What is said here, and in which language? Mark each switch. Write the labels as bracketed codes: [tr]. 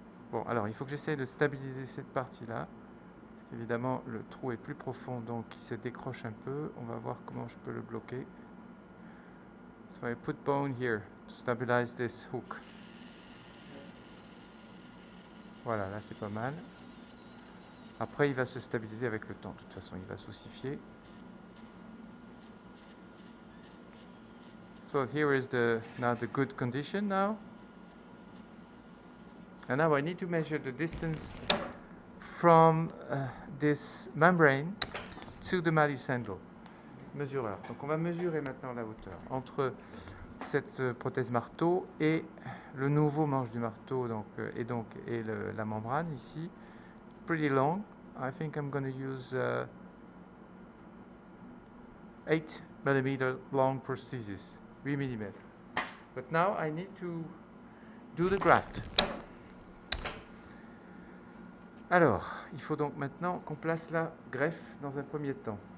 [fr] Bon, alors il faut que j'essaye de stabiliser cette partie-là, Évidemment, le trou est plus profond, donc il se décroche un peu. On va voir comment je peux le bloquer. [en] So I put bone here to stabilize this hook. [fr] Voilà, là c'est pas mal. Après, il va se stabiliser avec le temps. De toute façon, il va s'ossifier. [en] So here is the now the good condition now. And now I need to measure the distance from this membrane to the malleus handle. [fr] Mesureur. Donc on va mesurer maintenant la hauteur entre cette prothèse marteau et le nouveau manche du marteau donc et le, la membrane ici. [en] Pretty long. I think I'm going to use 8 millimeter long prosthesis. 8 millimeters. But now I need to do the graft. [fr] Alors, il faut donc maintenant qu'on place la greffe dans un premier temps.